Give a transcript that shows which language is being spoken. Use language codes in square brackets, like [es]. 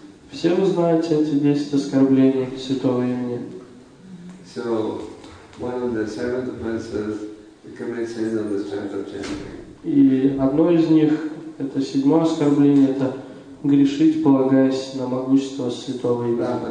[ru] Все вы знаете эти 10 оскорблений святого имени. [en] So, one of the seventh offenses to commit sins on the strength of chanting. [ru] И одно из них, это седьмое оскорбление, это грешить, полагаясь на могущество святого имени.